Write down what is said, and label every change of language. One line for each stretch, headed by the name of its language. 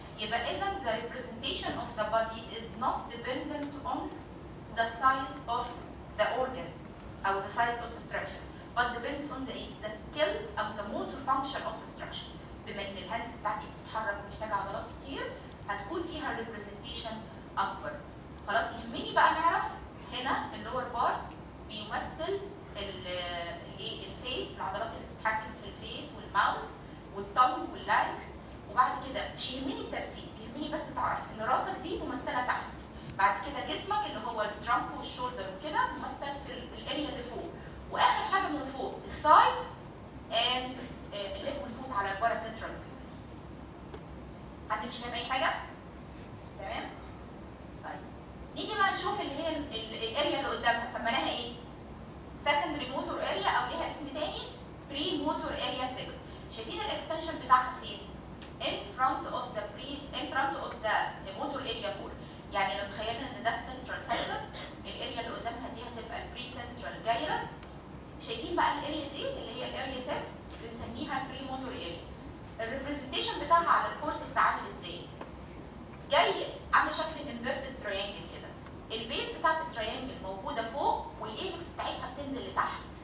Arabic: يبقى اذا
English: the representation of the body is not dependent on the size of the organ or the size of the structure but depends on the skills of the motor function of the structure.
Arabic: بما ان الهاندز بتاعتي بتتحرك ومحتاجه عضلات كتير هتكون فيها representation اكبر. خلاص يهمني بقى نعرف هنا اللور بارت بيمثل الفيس، العضلات اللي بتتحكم في الفيس والماوث والتونج واللاركس. وبعد كده مش يهمني الترتيب، يهمني بس تعرف ان راسك دي ممثله تحت، بعد كده جسمك اللي هو الترنك والشولدر وكده ممثل في الاريا اللي فوق، واخر حاجه من فوق الثاي اند الليج من فوق على البارا سنترال. حد مش فاهم اي حاجه؟ تمام؟ طيب نيجي بقى نشوف اللي هي الاريا اللي قدامها، سميناها ايه؟ سكندري موتور اريا او ليها اسم تاني بري موتور اريا 6. شايفين الاكستنشن بتاعها فين؟
English: in front of the pre in front of the motor area 4.
Arabic: يعني لو تخيلنا ان ده central sulcus الاريا اللي قدامها دي هتبقى البري سنترال جايروس. شايفين بقى الاريا دي اللي هي الاريا 6 بنسميها البري موتور اريا. الريبرزنتيشن بتاعها على الكورتكس عامل ازاي؟ جاي عامل شكل انفيرتد تريانجل كده، البيس بتاعت التريانجل موجوده فوق والايبكس بتاعتها بتنزل لتحت.